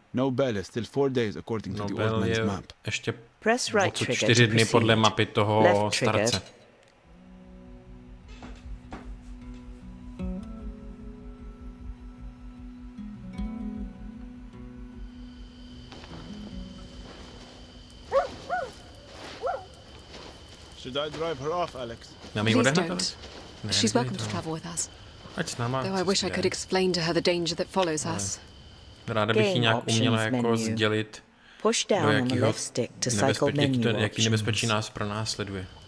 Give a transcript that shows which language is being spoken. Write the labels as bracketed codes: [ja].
[en] Nobel is still 4 days according to the old man's map. [cs] Ještě 4 dny podle mapy toho starce. [en] Should I drive her off, Alex? Please don't. She's welcome to travel with us. Though I wish I could explain to her the danger that follows us. [cs] Ráda bych ji nějak uměla jako sdělit, do jakého jaký nebezpečí nás pro nás sleduje.